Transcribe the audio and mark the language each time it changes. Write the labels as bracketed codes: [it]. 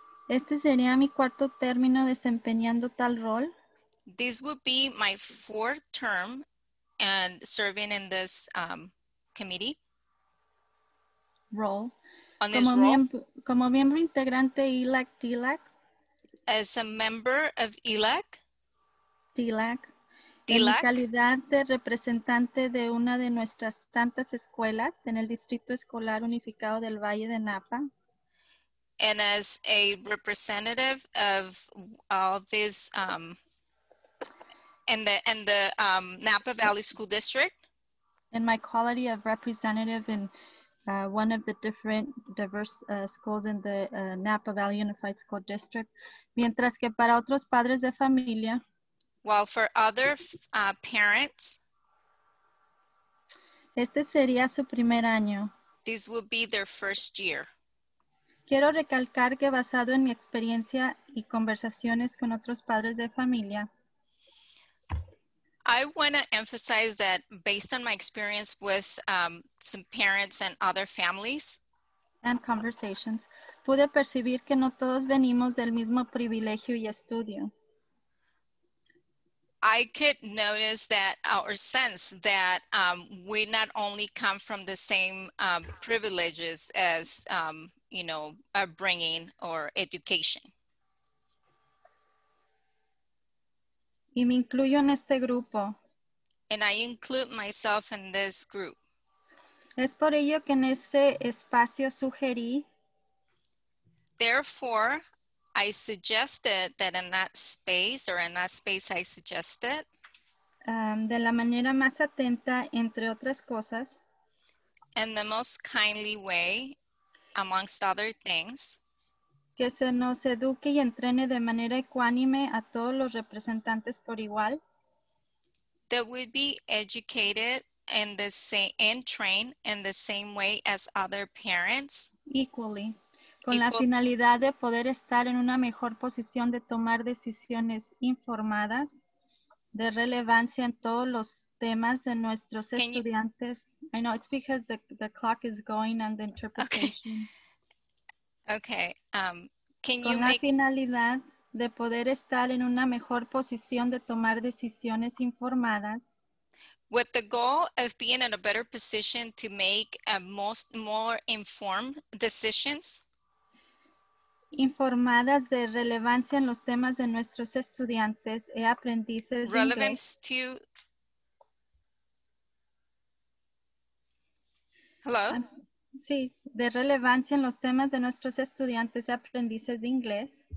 [es] Este sería mi cuarto término desempeñando tal rol. [en] This would be my fourth term and serving in this committee. Role. On this role. [es] Como miembro integrante ELAC-DILAC. [en] As a member of ELAC. DILAC. DILAC. [es] En calidad de representante de una de nuestras tantas escuelas en el Distrito Escolar Unificado del Valle de Napa. [en] And as a representative of all this in the Napa Valley School District. In my quality of representative in one of the different diverse schools in the Napa Valley Unified School District. [es] Mientras que para otros padres de familia. [en] While for other parents. [es] Este sería su primer año. [en] This will be their first year. [es] Quiero recalcar que basado en mi experiencia y conversaciones con otros padres de familia. [en] I want to emphasize that based on my experience with some parents and other families. And conversations. [es] Pude percibir que no todos venimos del mismo privilegio y estudio. [en] I could notice that or sense that we not only come from the same privileges as upbringing or education. [es] Y me incluyo en este grupo. [en] And I include myself in this group. [es] Es por ello que en este espacio sugerí. [en] Therefore, I suggested that in that space, or in that space I suggested. [es] De la manera más atenta, entre otras cosas. [en] In the most kindly way. Amongst other things, [es] Que se nos eduque y entrene de manera ecuánime a todos los representantes por igual. [en] That we be educated in the same, and trained in the same way as other parents. Equally. [es] Con la finalidad de poder estar en una mejor posición de tomar decisiones informadas de relevancia en todos los temas de nuestros Can estudiantes. [en] You, I know it's because the clock is going and the interpretation. Okay. Okay. Can you [es] Con [en] make, [es] la finalidad de poder estar en una mejor posición de tomar decisiones informadas. [en] With the goal of being in a better position to make a most more informed decisions. [es] Informadas de relevancia en los temas de nuestros estudiantes e aprendices. [en] Relevance to. Hello. [es] Sí, de relevancia en los temas de nuestros estudiantes e aprendices de inglés.